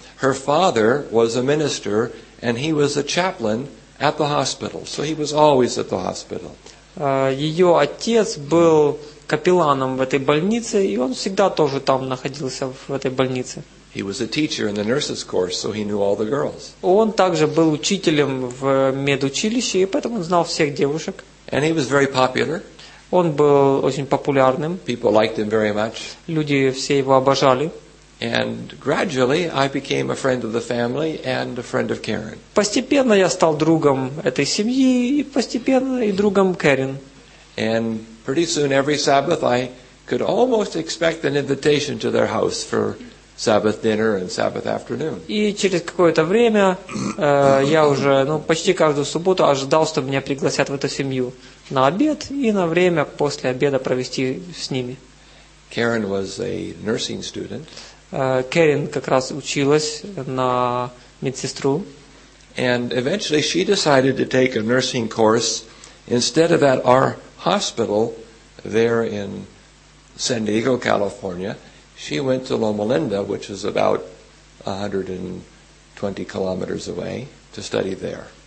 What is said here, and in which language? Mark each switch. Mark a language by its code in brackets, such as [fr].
[en] Her father was a minister, and he was a chaplain at the hospital. So he was always at the hospital. [ru] Ее отец был капелланом в этой больнице, и он всегда тоже там находился, в этой больнице. [en] He was a teacher in the nurses' course, so he knew all the girls. [ru] Он также был учителем в медучилище, и поэтому он знал всех девушек. [en] And he was very popular. [ru] Он был очень популярным. [en] People liked him very much. [ru] Люди все его обожали. [en] And gradually, I became a friend of the family and a friend of Karen. [ru] Постепенно я стал другом этой семьи и постепенно и другом Карен. [en] And pretty soon, every Sabbath, I could almost expect an invitation to their house for Sabbath dinner and Sabbath afternoon. [ru] И через какое-то время я уже, ну, почти каждую субботу ожидал, что меня пригласят в эту семью на обед и на время после обеда провести с ними. [en] Karen was a nursing student. [ru] Карен как раз училась на медсестру. [en] And eventually she decided to take a nursing course instead of at our hospital there in San Diego, California. She went to Loma Linda, which is about 120 kilometers away, to study there.